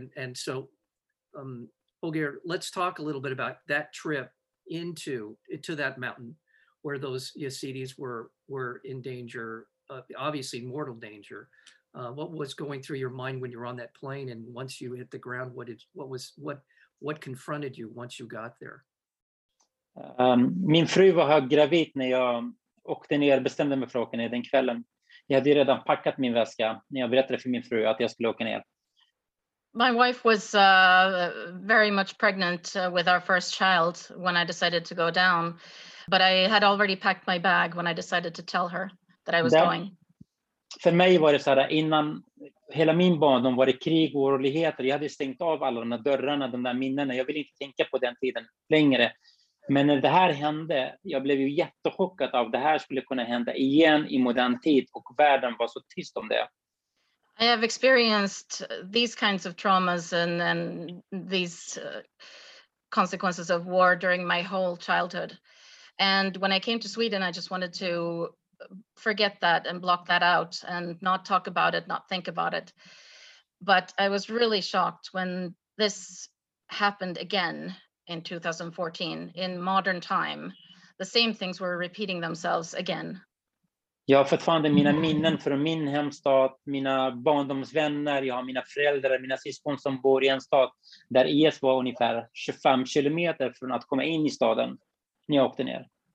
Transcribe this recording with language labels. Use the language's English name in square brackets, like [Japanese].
[English] And so, Ogier, let's talk a little bit about that trip into that mountain. where those Yazidis were in danger, obviously mortal danger. What was going through your mind when you were on that plane, and once you hit the ground, what confronted you once you got there? [Swedish] Min fru var höggravid när jag åkte ner, bestämde mig för att åka ner den kvällen. Jag hade redan packat min väska när jag berättade för min fru att jag skulle åka ner. [English] My wife was very much pregnant with our first child when I decided to go down, but I had already packed my bag when I decided to tell her that I was going. [Swedish] För mig var det så här, innan hela min barndom var det krig och oroligheter. Jag hade stängt av alla de där dörrarna, de där minnena. Jag ville inte tänka på den tiden längre. Men när det här hände, jag blev ju jättechockad av att det här skulle kunna hända igen i modern tid, och världen var så tyst om det. [English] I have experienced these kinds of traumas and these consequences of war during my whole childhood. And when I came to Sweden, I just wanted to forget that and block that out and not talk about it, not think about it. But I was really shocked when this happened again in 2014, in modern time. The same things were repeating themselves again. [Swedish] Jag har fortfarande mina minnen från min hemstad, mina barndomsvänner, jag har mina föräldrar, mina syskon som bor i en stad där IS var ungefär 25 kilometer från att komma in i staden när jag åkte ner.